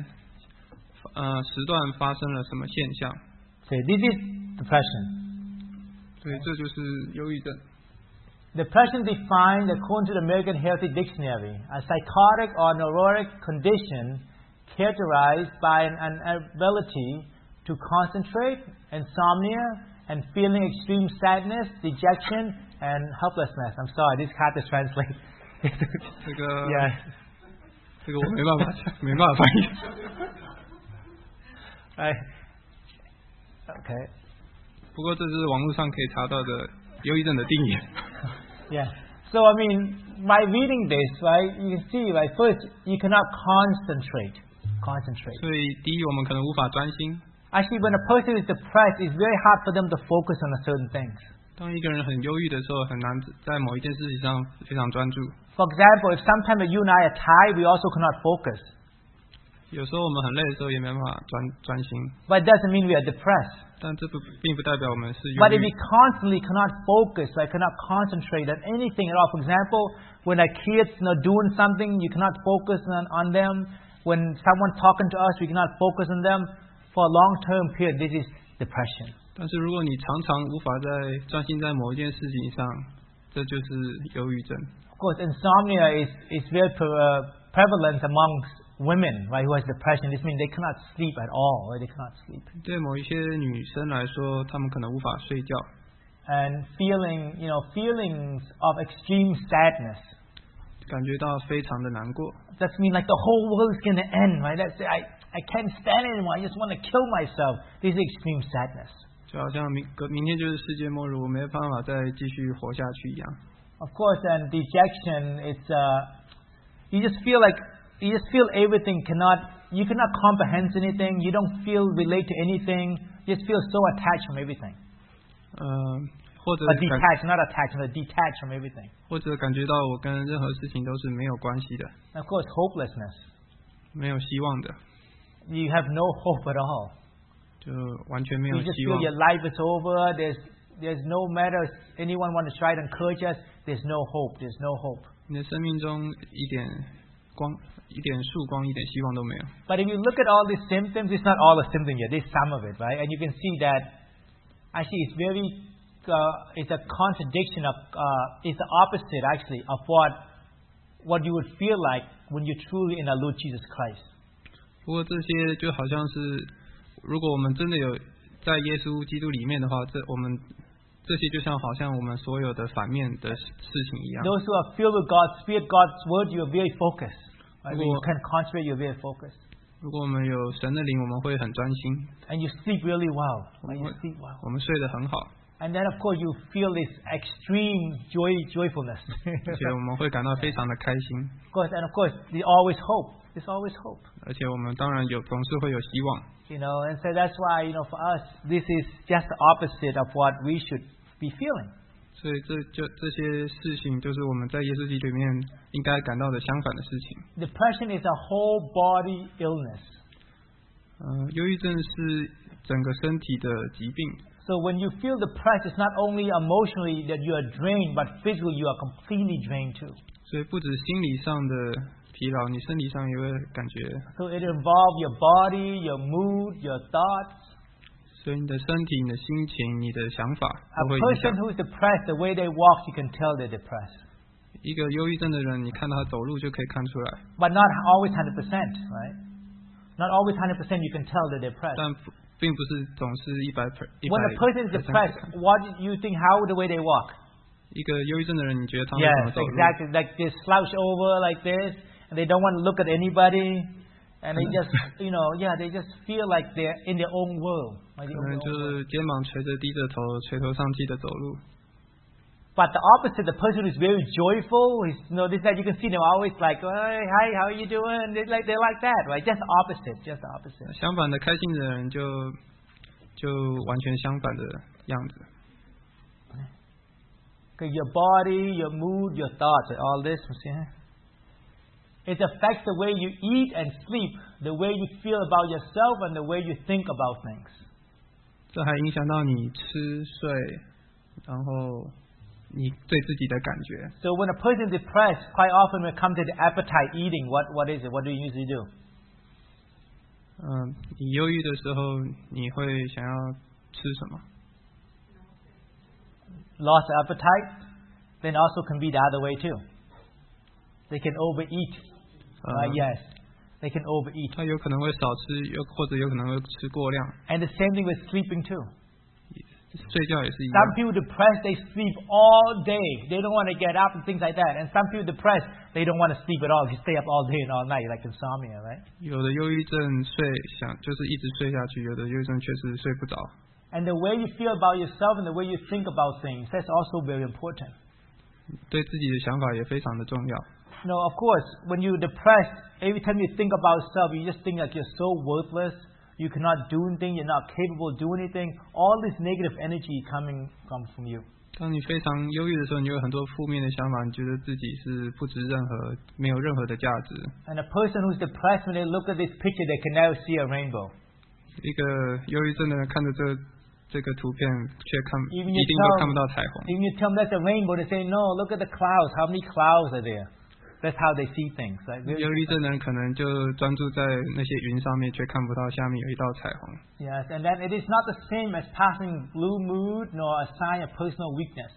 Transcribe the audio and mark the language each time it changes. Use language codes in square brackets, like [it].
[zh] 我们要诊断的话，其实我们要诊断某一些时段发生了什么现象. [en] So this is depression. [zh] 对，这就是忧郁症. [en] Depression defined according to the American Healthy Dictionary, a psychotic or neurotic condition characterized by an inability to concentrate, insomnia, and feeling extreme sadness, dejection, and helplessness. I'm sorry, this is hard to translate. Yes. [zh] 这个我没办法，没办法翻译。哎 ，OK。不过这是网络上可以查到的忧郁症的定义。 [en] Yeah. So I mean, by reading this, right, you can see, right, first you cannot concentrate. [zh] 所以第一，我们可能无法专心。 [en] Actually, when a person is depressed, it's very hard for them to focus on a certain things. [zh] 当一个人很忧郁的时候，很难在某一件事情上非常专注。 [en] For example, if sometimes you and I are tired, we also cannot focus. [zh] 有时候我们很累的时候，也没办法专心。 [en] But it doesn't mean we are depressed. [zh] 但这不并不代表我们是忧郁。 [en] But if we constantly cannot focus, I cannot concentrate on anything at all. For example, when our kids are doing something, you cannot focus on them. When someone talking to us, we cannot focus on them. For a long-term period, this is depression. [zh] 但是如果你常常无法在专心在某一件事情上，这就是忧郁症。 [en] Of course, insomnia is very prevalent amongst women, right, who has depression. This means they cannot sleep at all, or they cannot sleep. [zh] 对某一些女生来说，她们可能无法睡觉。 [en] And feelings of extreme sadness. [zh] 感觉到非常的难过。 [en] That means like the whole world is going to end, right? Let's say I can't stand it anymore. I just want to kill myself. This is extreme sadness. [zh] 就好像明天就是世界末日，我没办法再继续活下去一样。 [en] Of course, and dejection is you just feel everything cannot comprehend anything. You don't feel relate to anything. You just feel so attached from everything. [zh] 或者 [en] detached from everything. [zh] 或者感觉到我跟任何事情都是没有关系的。 [en] Of course, hopelessness. [zh] 没有希望的。 [en] You have no hope at all. [zh] 就完全没有希望。 [en] You just feel your life is over. There's no matter anyone want to try to encourage us. There's no hope. [zh] 你的生命中一点光、一点曙光、一点希望都没有。 [en] But if you look at all these symptoms, it's not all the symptoms yet. It's some of it, right? And you can see that actually it's very it's a contradiction of it's the opposite actually of what you would feel like when you're truly in our Lord Jesus Christ. [zh] 不过这些就好像是，如果我们真的有在耶稣基督里面的话，这些就像好像我们所有的反面的事情一样。 [en] Those who are filled with God's Spirit, God's Word, you are very focused. Right? You can concentrate, you are very focused. [zh] 如果我们有神的灵，我们会很专心。 [en] And you sleep really well. You sleep well. [zh] 我们睡得很好。 [en] And then, of course, you feel this extreme joyfulness. [zh] 而且我们会感到非常的开心。 [en] Of course, there's always hope. There's always hope. [zh] 而且我们当然有，总是会有希望。 [en] You know, and so that's why, you know, for us, this is just the opposite of what we should be feeling. [zh] 所以这些事情就是我们在耶稣基督里面应该感到的相反的事情。 [en] Depression is a whole body illness. [zh] 忧郁症是整个身体的疾病。 [en] So when you feel depressed, it's not only emotionally that you are drained, but physically you are completely drained too. [zh] 所以不止心理上的疲劳，你身体上也会感觉。 [en] So it involves your body, your mood, your thoughts. [zh] 所以你的身体、你的心情、你的想法都会影响。 [en] A person who is depressed, the way they walk, you can tell they're depressed. [zh] 一个忧郁症的人，你看他走路就可以看出来。 [en] But not always 100%, right? Not always 100%, you can tell they're depressed. [zh] 但并不是总是100%。 [en] When a person is depressed, what do you think? How the way they walk? [zh] 一个忧郁症的人，你觉得他们怎么走路 [en] ？Yes, exactly. Like they slouch over like this, and they don't want to look at anybody, and they just, you know, yeah, they just feel like they're in their own world. [zh] 可能就是肩膀垂着，低着头，垂头丧气的走路。 [en] But the opposite, the person who is very joyful, you can see them always like, hey, hi, how are you doing? They're like that, right? Just the opposite. [zh] 相反的，开心的人就完全相反的样子。 [en] Okay, your body, your mood, your thoughts, all this, you see? It affects the way you eat and sleep, the way you feel about yourself, and the way you think about things. [zh] 这还影响到你吃睡，然后你对自己的感觉。 [en] So when a person is depressed, quite often we come to the appetite eating. What is it? What do you usually do? [zh] 你忧郁的时候，你会想要吃什么？ [en] Lost appetite, then also can be the other way too. They can overeat. Yes, they can overeat. [zh] 他有可能会少吃，或者有可能会吃过量。 [en] And the same thing with sleeping too. [zh] 睡觉也是一样。 [en] Some people depressed, they sleep all day. They don't want to get up and things like that. And some people depressed, they don't want to sleep at all. You stay up all day and all night, like insomnia, right? [zh] 有的忧郁症睡想就是一直睡下去，有的忧郁症确实睡不着。 [en] And the way you feel about yourself and the way you think about things, that's also very important. [zh] 对自己的想法也非常的重要。 [en] No, of course, when you're depressed, every time you think about yourself, you just think like you're so worthless. You cannot do anything. You're not capable of doing anything. All this negative energy coming comes from you. [zh] 当你非常忧郁的时候，你有很多负面的想法，你觉得自己是不值任何，没有任何的价值。 [en] And a person who's depressed, when they look at this picture, they can never see a rainbow. [zh] 一个忧郁症的人看着这个图片却看 [en] even [zh] 一定都看不到彩虹。 [en] Even you tell them that's a rainbow, they say no. Look at the clouds. How many clouds are there? That's how they see things. [zh] 忧郁症人可能就专注在那些云上面，却看不到下面有一道彩虹。 [en] Yes, and then it is not the same as passing blue mood, nor a sign of personal weakness.